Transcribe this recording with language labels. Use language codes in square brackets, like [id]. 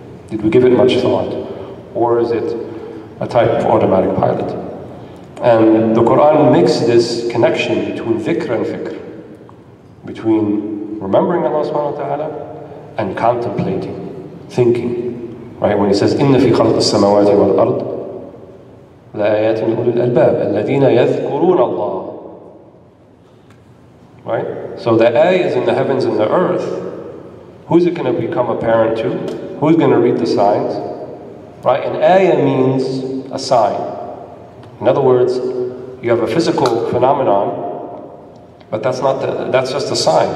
[en] Did we give it much thought? Or is it a type of automatic pilot? And the Quran makes this connection between dhikr and fikr, between remembering Allah subhanahu wa ta'ala and contemplating, thinking. Right? When he says, [ar] إِنَّ فِي خَلْقِ السَّمَوَاتِ وَالْأَرْضِ لَآيَاتٍ لِأُولِي الْأَلْبَابِ الَّذِينَ يَذْكُرُونَ اللَّهَ. [en] Right? So the ayah is in the heavens and the earth. Who's it going to become apparent to? Who's going to read the signs? Right? An ayah means a sign. In other words, you have a physical phenomenon, but that's just a sign.